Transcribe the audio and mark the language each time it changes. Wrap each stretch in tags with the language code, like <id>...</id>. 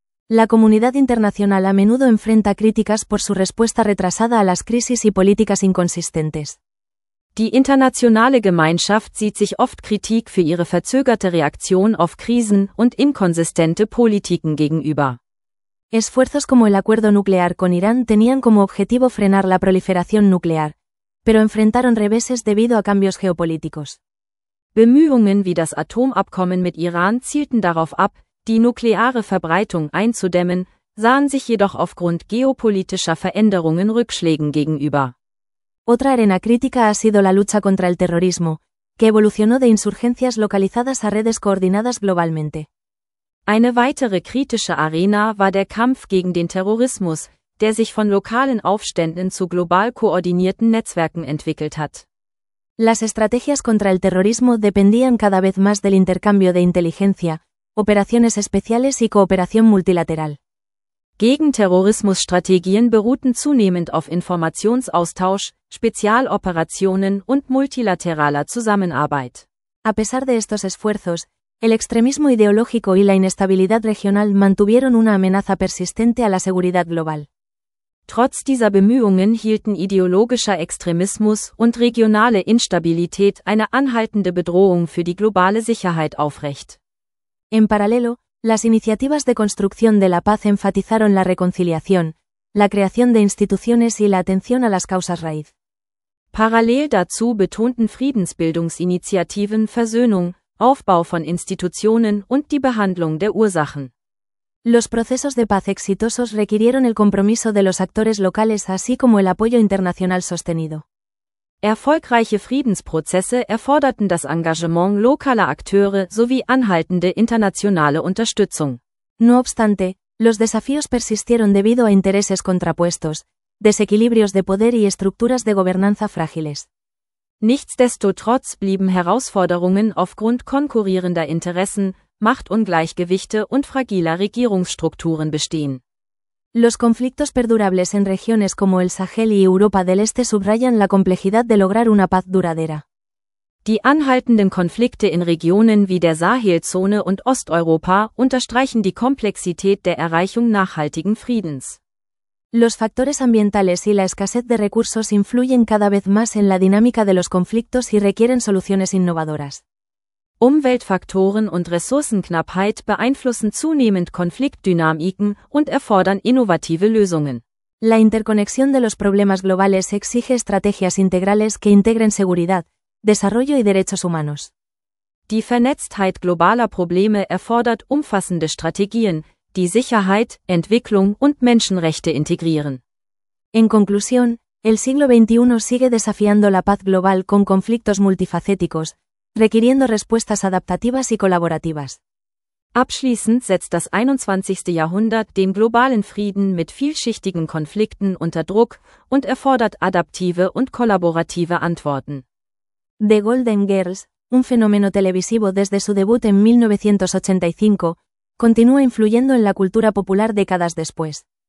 <es>La comunidad internacional a menudo enfrenta críticas por su respuesta retrasada a las crisis y políticas inconsistentes.</es> <de>Die internationale Gemeinschaft sieht sich oft Kritik für ihre verzögerte Reaktion auf Krisen und inkonsistente Politiken gegenüber.</de> <es>Esfuerzos como el acuerdo nuclear con Irán tenían como objetivo frenar la proliferación nuclear, pero enfrentaron reveses debido a cambios geopolíticos.</es> <de>Bemühungen wie das Atomabkommen mit Iran zielten darauf ab, die nukleare Verbreitung einzudämmen, sahen sich jedoch aufgrund geopolitischer Veränderungen Rückschlägen gegenüber.</de> <es>Otra arena crítica ha sido la lucha contra el terrorismo, que evolucionó de insurgencias localizadas a redes coordinadas globalmente.</es> <de>Eine weitere kritische Arena war der Kampf gegen den Terrorismus, der sich von lokalen Aufständen zu global koordinierten Netzwerken entwickelt hat.</de> <es>Las estrategias contra el terrorismo dependían cada vez más del intercambio de inteligencia, operaciones especiales y cooperación multilateral.</es> <de>Gegenterrorismusstrategien beruhten zunehmend auf Informationsaustausch, Spezialoperationen und multilateraler Zusammenarbeit.</de> <es>A pesar de estos esfuerzos, el extremismo ideológico y la inestabilidad regional mantuvieron una amenaza persistente a la seguridad global.</es> <de>Trotz dieser Bemühungen hielten ideologischer Extremismus und regionale Instabilität eine anhaltende Bedrohung für die globale Sicherheit aufrecht.</de> <es>En paralelo, las iniciativas de construcción de la paz enfatizaron la reconciliación, la creación de instituciones y la atención a las causas raíz.</es> <de>Parallel dazu betonten Friedensbildungsinitiativen Versöhnung, Aufbau von Institutionen und die Behandlung der Ursachen.</de> <es>Los procesos de paz exitosos requirieron el compromiso de los actores locales así como el apoyo internacional sostenido.</es> <de>Erfolgreiche Friedensprozesse erforderten das Engagement lokaler Akteure sowie anhaltende internationale Unterstützung.</de> <es>No obstante, los desafíos persistieron debido a intereses contrapuestos, desequilibrios de poder y estructuras de gobernanza frágiles.</es> <de>Nichtsdestotrotz blieben Herausforderungen aufgrund konkurrierender Interessen, Machtungleichgewichte und fragiler Regierungsstrukturen bestehen.</de> <es>Los conflictos perdurables en regiones como el Sahel y Europa del Este subrayan la complejidad de lograr una paz duradera.</es> <de>Die anhaltenden Konflikte in Regionen wie der Sahelzone und Osteuropa unterstreichen die Komplexität der Erreichung nachhaltigen Friedens.</de> <es>Los factores ambientales y la escasez de recursos influyen cada vez más en la dinámica de los conflictos y requieren soluciones innovadoras.</es> <de>Umweltfaktoren und Ressourcenknappheit beeinflussen zunehmend Konfliktdynamiken und erfordern innovative Lösungen.</de> <es>La interconexión de los problemas globales exige estrategias integrales que integren seguridad, desarrollo y derechos humanos.</es> <de>Die Vernetztheit globaler Probleme erfordert umfassende Strategien, die Sicherheit, Entwicklung und Menschenrechte integrieren.</de> <es>En conclusión, el siglo XXI sigue desafiando la paz global con conflictos multifacéticos, requiriendo respuestas adaptativas y colaborativas.</es> <de>Abschließend setzt das 21. Jahrhundert den globalen Frieden mit vielschichtigen Konflikten unter Druck und erfordert adaptive und kollaborative Antworten.</de> <es>The Golden Girls, un fenómeno televisivo desde su debut en 1985, continúa influyendo en la cultura popular décadas después.</es>